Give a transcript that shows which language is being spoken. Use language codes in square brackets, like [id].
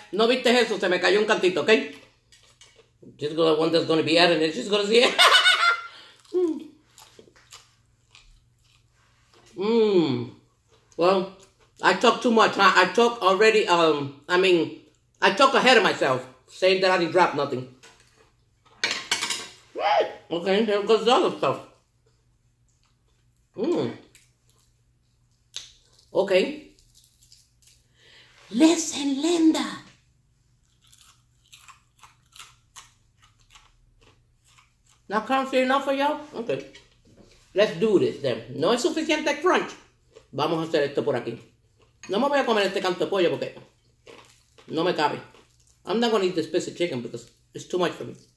[es] No viste eso, se me cayó un cantito, ¿ok? [en] Just go the one that's gonna be adding it. Just gonna see it. Mmm. Well, I talk too much. I talk already, I mean, I talk ahead of myself, saying that I didn't drop nothing. Okay, here goes the other stuff. Mmm. Okay. Listen, Linda. Now can't see enough of y'all? Okay. Let's do this then. [es] No es suficiente crunch. Vamos a hacer esto por aquí. No me voy a comer este canto de pollo porque no me cabe. [en] I'm not going to eat this piece of chicken because it's too much for me.